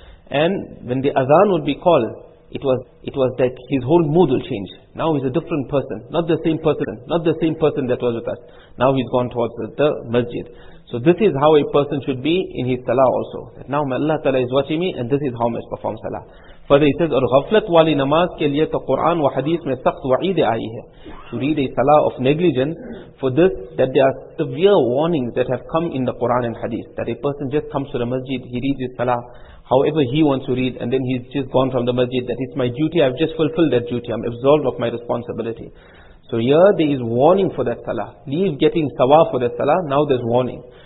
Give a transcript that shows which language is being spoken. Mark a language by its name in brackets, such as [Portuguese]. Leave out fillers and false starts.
[English] And when the Azan would be called, it was that his whole mood will change. Now he's a different person. Not the same person. Not the same person that was with us. Now he's gone towards the masjid. So this is how a person should be in his salah also. That now Allah Ta'ala is watching me, and this is how I must perform salah. Further he says, [Urdu] اور غفلت والی نماز کے لئے تو قرآن و حدیث میں سخت وعید آئی ہے. [English] To read a salah of negligence, for this, that there are severe warnings that have come in the Quran and hadith. That a person just comes to the masjid, he reads his salah however he wants to read, and then he's just gone from the masjid. That it's my duty, I've just fulfilled that duty, I'm absolved of my responsibility. So here there is warning for that salah. Leave getting sawab for that salah, now there's warning.